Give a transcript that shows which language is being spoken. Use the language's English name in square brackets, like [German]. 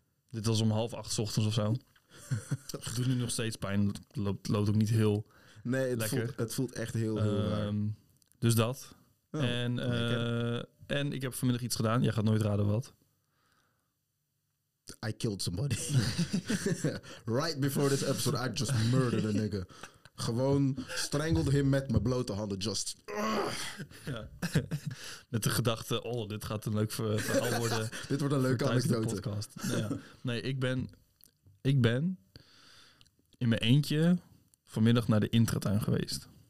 [Dutch] Dit was om 7:30 ochtends of zo. Het doet nu nog steeds pijn. Het loopt ook niet heel lekker. Nee, het voelt echt heel, heel raar. Dus dat... Oh, en ik heb vanmiddag iets gedaan. Jij gaat nooit raden wat. [English] I killed somebody. Right before this episode, I just murdered a nigga. [Dutch] Gewoon [English] strangled him [Dutch] met mijn blote handen. [English] Just. [Dutch] Met de gedachte, dit gaat een leuk verhaal worden. Dit wordt een leuke anekdote. Podcast. Nee, ik ben in mijn eentje vanmiddag naar de intratuin geweest.